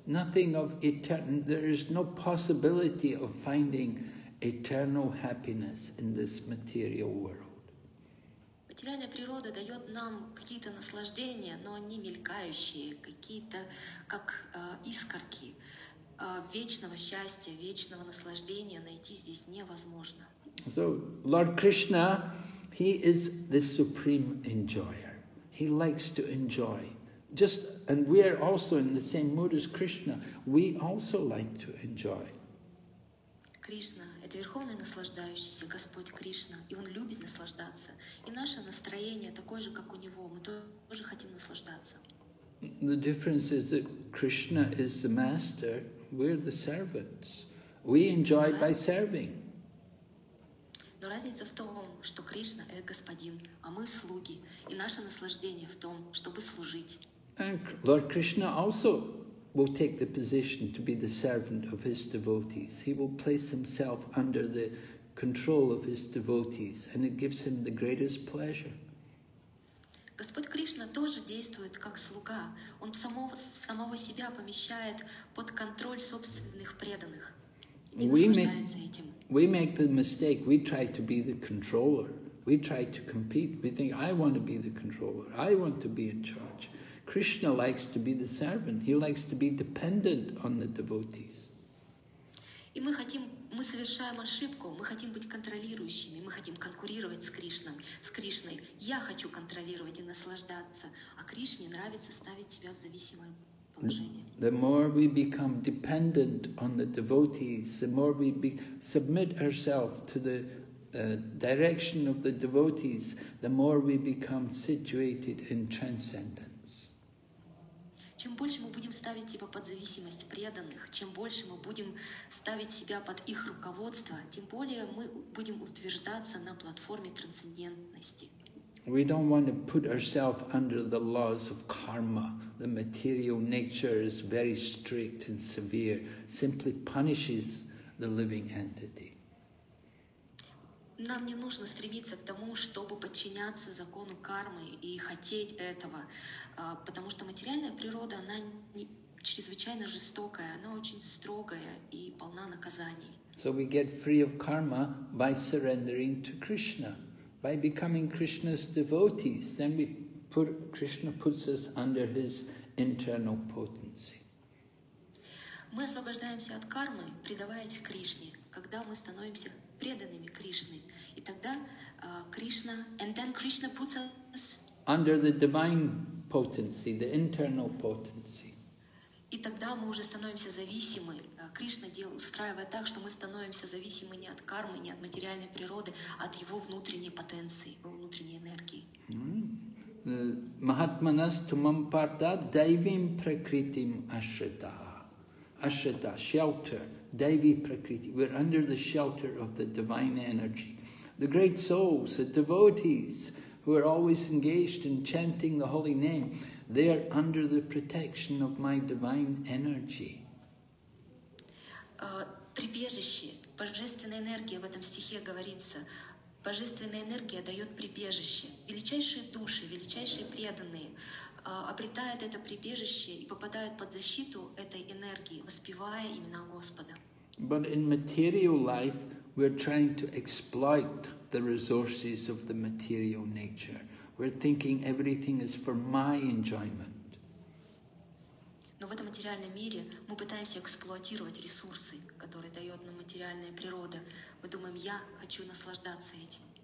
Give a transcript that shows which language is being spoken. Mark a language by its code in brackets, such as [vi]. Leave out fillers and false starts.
[en] Nothing of eternal, there is no possibility of finding eternal happiness in this material world. [ru] Материальная природа дает нам какие-то наслаждения, но они мелькающие, какие-то как искорки. Вечного счастья, вечного наслаждения найти здесь невозможно. [en] So, Lord Krishna, he is the supreme enjoyer. He likes to enjoy. And we are also in the same mood as Krishna. We also like to enjoy. [ru] Krishna, это верховный наслаждающийся, Господь Кришна, и он любит наслаждаться. И наше настроение такое же, как у него. Мы тоже хотим наслаждаться. [en] The difference is that Krishna is the master, we're the servants. We enjoy by serving. [ru] Но разница в том, что Кришна это господин, а мы слуги, и наше наслаждение в том, чтобы служить. [en] And Lord Krishna also will take the position to be the servant of his devotees. He will place himself under the control of his devotees, and it gives him the greatest pleasure. [ru] Господь Кришна тоже действует как слуга. Он самого себя помещает под контроль собственных преданных и наслаждается этим. [en] We make the mistake. We try to be the controller. We try to compete. We think, I want to be the controller. I want to be in charge. Krishna likes to be the servant. He likes to be dependent on the devotees. [ru] И мы совершаем ошибку. Мы хотим быть контролирующими. Мы хотим конкурировать с Кришной. Я хочу контролировать и наслаждаться. А Кришне нравится ставить себя в зависимое положение. [en] The more we become dependent on the devotees, the more we submit ourselves to the direction of the devotees, the more we become situated in transcendence. [ru] Чем больше мы будем ставить себя под зависимость преданных, чем больше мы будем ставить себя под их руководство, тем более мы будем утверждаться на платформе трансцендентности. [en] We don't want to put ourselves under the laws of karma. The material nature is very strict and severe, simply punishes the living entity. [ru] Нам не нужно стремиться к тому, чтобы подчиняться закону кармы и хотеть этого, потому что материальная природа, она чрезвычайно жестокая, она очень строгая и полна наказаний. [en] So we get free of karma by surrendering to Krishna, by becoming Krishna's devotees. Then Krishna puts us under his internal potency. [ru] Мы освобождаемся от кармы, предаваясь Кришне, когда мы становимся преданными Кришне. И тогда Кришна, [en] and then Krishna puts us under the divine potency, the internal potency. [ru] И тогда мы уже становимся зависимы. Кришна устраивает так, что мы становимся зависимы не от кармы, не от материальной природы, а от его внутренней потенции, его внутренней энергии. [sa] Mahatmanas tumam parta daivim prakritim ashrita. [en] Ashrita, shelter, Devi Prakriti. We're under the shelter of the divine energy. The great souls, the devotees, who are always engaged in chanting the holy name, they are under the protection of my divine energy. [ru] Прибежище, божественная энергия в этом стихе говорится. Божественная энергия дает прибежище. Величайшие души, величайшие преданные обретают это прибежище и попадают под защиту этой энергии, воспевая имена Господа. [en] But in material life, we're trying to exploit the resources of the material nature. We're thinking everything is for my enjoyment. [ru] Но в этом материальном мире мы пытаемся эксплуатировать ресурсы, которые дает нам материальная природа. Мы думаем, я хочу наслаждаться этим.